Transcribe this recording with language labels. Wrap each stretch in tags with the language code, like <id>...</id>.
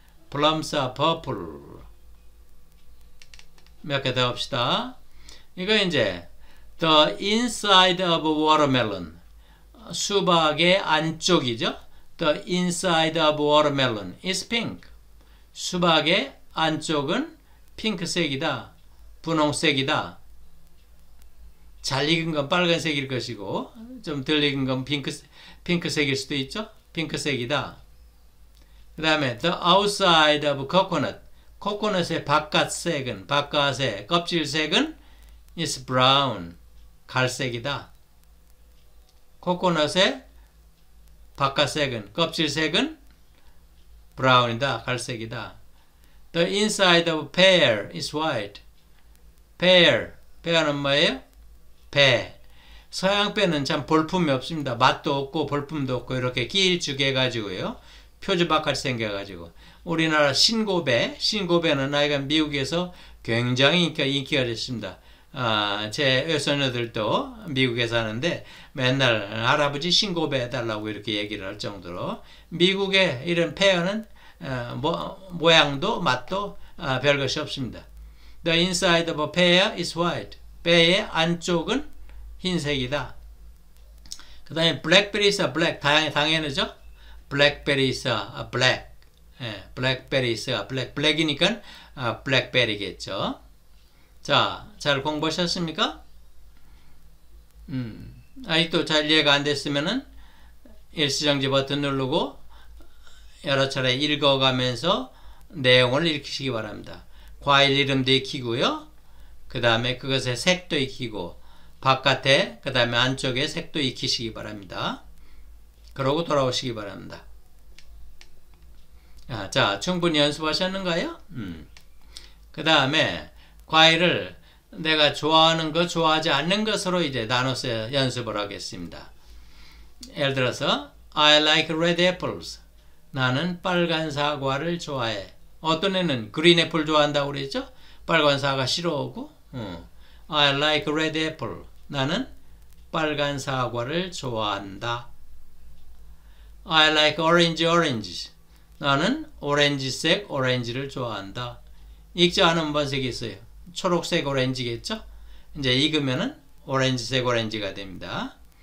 <en>Plums are purple.</en> <ko>몇 개 더 합시다. 이거 이제</ko> <en>the inside of a watermelon.</en> <ko>수박의 안쪽이죠.</ko> <en>The inside of watermelon is pink.</en> <ko>수박의 안쪽은 핑크색이다. 분홍색이다. 잘 익은 건 빨간색일 것이고 좀 덜 익은 건 핑크색일 수도 있죠. 핑크색이다. 그 다음에</ko> <en>the outside of coconut.</en> <ko>코코넛의 바깥색은 바깥의 껍질색은</ko> <en>is brown.</en> <ko>갈색이다. 코코넛의 바깥색은, 껍질색은 브라운이다, 갈색이다.</ko> <en>The inside of a pear is white.</en> <ko>Pear, 배는 뭐예요? 배. 서양 배는 참 볼품이 없습니다. 맛도 없고 볼품도 없고 이렇게 길쭉해가지고요. 표지바깥이 생겨가지고. 우리나라 신고배, 신고배는 나이가 미국에서 굉장히 인기가 됐습니다. 아, 제 외손녀들도 미국에 사는데 맨날 할아버지 신고배 해달라고 이렇게 얘기를 할 정도로 미국의 이런 페어는 모양도 맛도 별것이 없습니다.</ko> <en>The inside of a pear is white.</en> <ko>배의 안쪽은 흰색이다. 그 다음에</ko> <en>blackberries are black.</en> <ko>당연하죠?</ko> <en>Blackberries are black.</en> <ko>예,</ko> <en>blackberries are black.</en> <ko>Black이니까 blackberry겠죠. 자, 잘 공부하셨습니까? 아직도 잘 이해가 안 됐으면은 일시정지 버튼 누르고 여러 차례 읽어가면서 내용을 익히시기 바랍니다. 과일 이름도 익히고요. 그 다음에 그것의 색도 익히고 바깥에 그 다음에 안쪽에 색도 익히시기 바랍니다. 그러고 돌아오시기 바랍니다. 아, 자, 충분히 연습하셨는가요? 그 다음에 과일을 내가 좋아하는 거, 좋아하지 않는 것으로 이제 나눠서 연습을 하겠습니다. 예를 들어서</ko> <en>I like red apples.</en> <ko>나는 빨간 사과를 좋아해. 어떤 애는 green apple 좋아한다고 그랬죠? 빨간 사과 싫어하고</ko> <en>I like red apple.</en> <ko>나는 빨간 사과를 좋아한다.</ko> <en>I like orange oranges.</en> <ko>나는 오렌지색 오렌지를 좋아한다. 익지 않은 번색이 있어요. 초록색 오렌지겠죠? 이제 익으면은 오렌지색 오렌지가 됩니다.</ko>